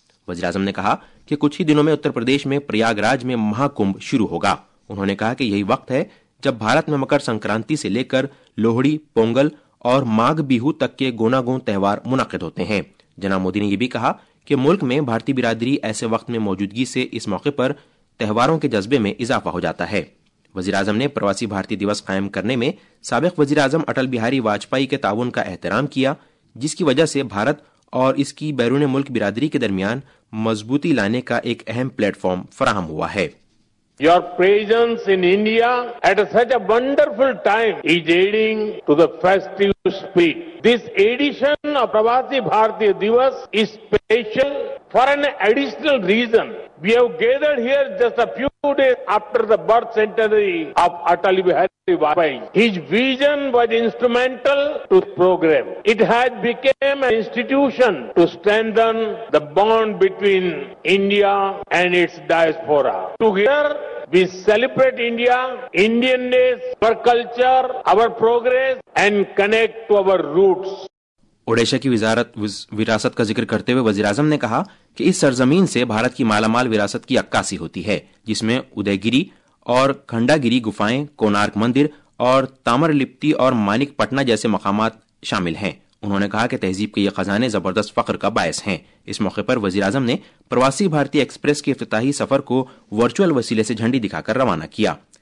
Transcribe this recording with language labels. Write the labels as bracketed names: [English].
[Urdu] وزیراعظم نے کہا کہ کچھ ہی دنوں میں اتر پردیش میں پریاگ راج میں مہاکمبھ شروع ہوگا۔ انہوں نے کہا کہ یہی وقت ہے جب بھارت میں مکر سنکرانتی سے لے کر لوہڑی، پونگل اور ماگھ بیہو تک کے گوناگون تہوار منعقد ہوتے ہیں۔ جناب مودی نے یہ بھی کہا کہ ملک میں بھارتی برادری ایسے وقت میں موجودگی سے اس موقع پر تہواروں کے جذبے میں اضافہ ہو جاتا ہے۔ وزیراعظم نے پرواسی بھارتی دیوس قائم کرنے میں سابق وزیراعظم اٹل بہاری واجپائی کے تعاون کا احترام کیا، جس کی وجہ سے بھارت اور اس کی بیرون ملک برادری کے درمیان مضبوطی لانے کا ایک اہم پلیٹ فارم فراہم ہوا ہے۔ [English] Your presence in India at such a wonderful time is adding to the festive spirit. This edition of Pravasi Bharatiya Divas is special for an additional reason. We have gathered here just a few days after the birth centenary of Atal Bihari Vajpayee. His vision was instrumental to the program. It has become an institution to strengthen the bond between India and its diaspora. Together, we celebrate India, Indianness, our culture, our progress and connect to our roots. [Urdu] Odisha کی وزارت وراثت کا ذکر کرتے ہوئے وزیر اعظم نے کہا کہ اس سرزمین سے بھارت کی مالا مال وراثت کی عکاسی ہوتی ہے جس میں ادے گیری اور کھنڈا گیری گفائیں کونارک مندر اور تامر لپتی اور مانک پٹنا جیسے مقامات شامل ہیں انہوں نے کہا کہ تہذیب کے یہ خزانے زبردست فخر کا باعث ہیں اس موقع پر وزیر اعظم نے پرواسی بھارتی ایکسپریس کے افتتاحی سفر کو ورچوئل وسیلے سے جھنڈی دکھا کر روانہ کیا